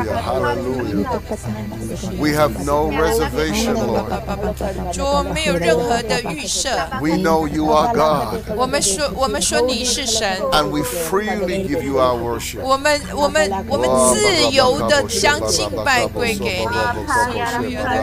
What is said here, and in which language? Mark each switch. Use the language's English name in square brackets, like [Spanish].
[English] We have no reservation, Lord. [Chinese] 主，我们没有任何的预设。 [English] We know you are God. [Chinese] 我们说你是神。 [English] And we freely give you our worship. [Chinese] 我们自由的将敬拜归给你。